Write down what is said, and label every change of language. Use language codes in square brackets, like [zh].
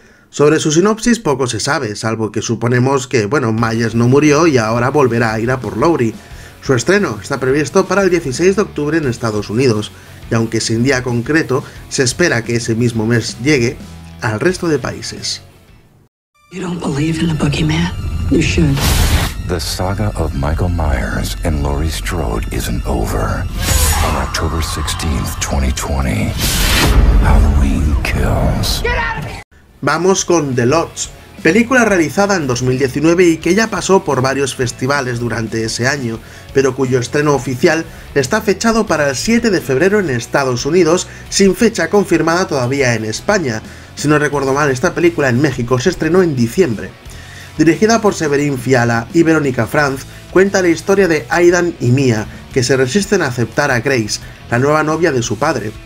[es] Sobre su sinopsis poco se sabe, salvo que suponemos que, bueno, Myers no murió y ahora volverá a ir a por Laurie. Su estreno está previsto para el 16 de octubre en Estados Unidos, y aunque sin día concreto, se espera que ese mismo mes llegue al resto de países. [en] You don't believe in the boogeyman? You should. The saga of Michael Myers and Laurie Strode isn't over. On October 16th, 2020, Halloween Kills. Get out of here! [es] Vamos con The Lodge, película realizada en 2019 y que ya pasó por varios festivales durante ese año, pero cuyo estreno oficial está fechado para el 7 de febrero en Estados Unidos, sin fecha confirmada todavía en España. Si no recuerdo mal, esta película en México se estrenó en diciembre. Dirigida por Severin Fiala y Verónica Franz, cuenta la historia de Aidan y Mia, que se resisten a aceptar a Grace, la nueva novia de su padre.